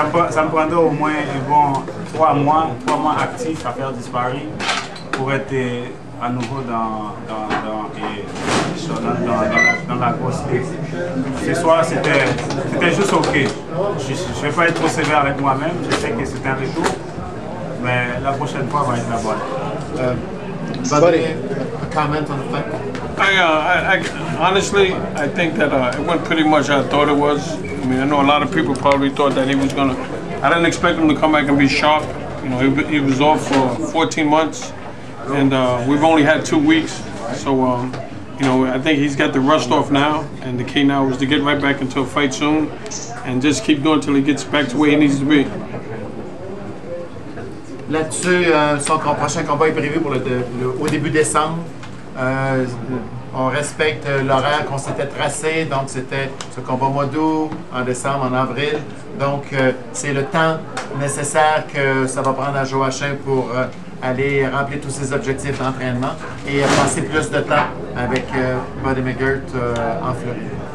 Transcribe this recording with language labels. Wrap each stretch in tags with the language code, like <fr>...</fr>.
<fr>ça me prendra au moins un bon 3 mois actifs à faire disparaître pour être à nouveau dans la grosse. Ce soir, c'était juste OK. Je ne vais pas être trop sévère avec moi-même, je sais que c'est un retour. Mais la prochaine fois, va être la bonne.</fr> <en>Buddy, a comment on the fight? I honestly think that it went pretty much as I thought it was. I mean, I know a lot of people probably thought that he was gonna. I didn't expect him to come back and be sharp. You know, he was off for 14 months, and we've only had 2 weeks. So, you know, I think he's got the rust off now, and the key now is to get right back into a fight soon, and just keep going until he gets back to where he needs to be.</en> <fr>Là-dessus, son prochain combat est prévu au début décembre. On respecte l'horaire qu'on s'était tracé, donc c'était ce combat mois d'août, en décembre, en avril. Donc, c'est le temps nécessaire que ça va prendre à Joachim pour aller remplir tous ses objectifs d'entraînement et passer plus de temps avec Buddy McGirt en Floride.</fr>